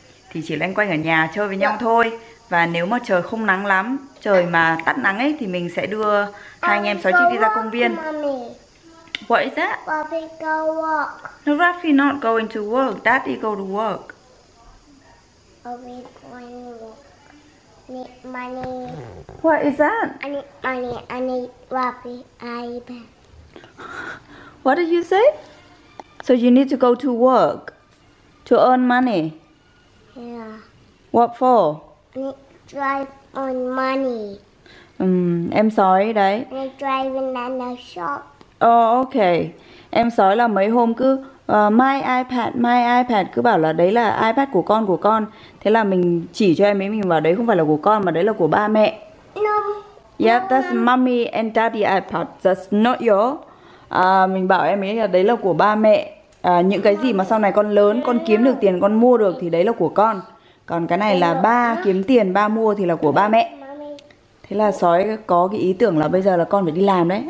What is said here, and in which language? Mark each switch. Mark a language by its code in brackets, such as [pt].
[vi] Thì chỉ loanh quanh ở nhà chơi với nhau thôi. Và nếu mà trời không nắng lắm, trời mà tắt nắng ấy thì mình sẽ đưa hai anh em sáu chích đi ra công viên. [en] What is that? Rafi go work. No, Rafi not going to work. Daddy go to work. Rafi going to work. Need money. What is that? I need money. I need Rafi iPad. What did you say? So you need to go to work to earn money. Yeah. What for? I need drive on money. [vi] Em sorry đấy. [en] I need driving at the shop. Oh, ok. [vi] Em sói là mấy hôm cứ [en] my iPad [vi] cứ bảo là đấy là iPad của con Thế là mình chỉ cho em ấy mình vào đấy không phải là của con mà đấy là của ba mẹ. [en] No. Yeah, that's mommy and daddy iPad. That's not yours. [vi] Mình bảo em ấy là đấy là của ba mẹ. Những cái gì mà sau này con lớn con kiếm được tiền con mua được thì đấy là của con. Còn cái này là ba kiếm tiền ba mua thì là của ba mẹ. Thế là sói có cái ý tưởng là bây giờ là con phải đi làm đấy.